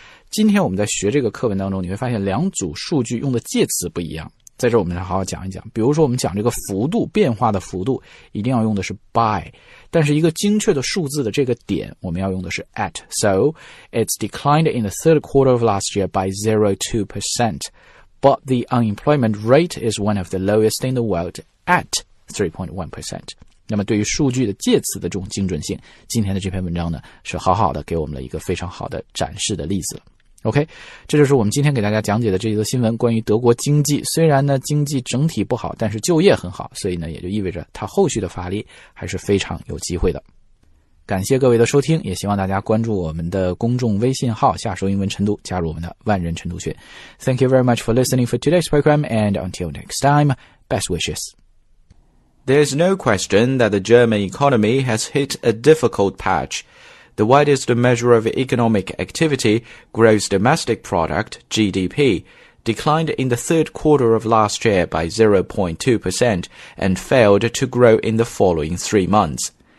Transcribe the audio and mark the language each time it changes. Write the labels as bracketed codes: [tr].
[zh] 今天我们在学这个课文当中，你会发现两组数据用的介词不一样，在这我们来好好讲一讲。比如说我们讲这个幅度，变化的幅度一定要用的是 by， 但是一个精确的数字的这个点我们要用的是 at。 [en] So it's declined in the third quarter of last year by 0.2%, but the unemployment rate is one of the lowest in the world at 3.1%。 [zh] 那么对于数据的介词的这种精准性，今天的这篇文章呢是好好的给我们了一个非常好的展示的例子。 OK， 这就是我们今天给大家讲解的这一则新闻，关于德国经济。虽然呢经济整体不好，但是就业很好，所以呢也就意味着它后续的发力还是非常有机会的。感谢各位的收听，也希望大家关注我们的公众微信号下收英文晨读，加入我们的万人晨读群。 [en] Thank you very much for listening for today's program, and until next time, best wishes. There's no question that the German economy has hit a difficult patch. The widest measure of economic activity, gross domestic product, GDP, declined in the third quarter of last year by 0.2% and failed to grow in the following 3 months.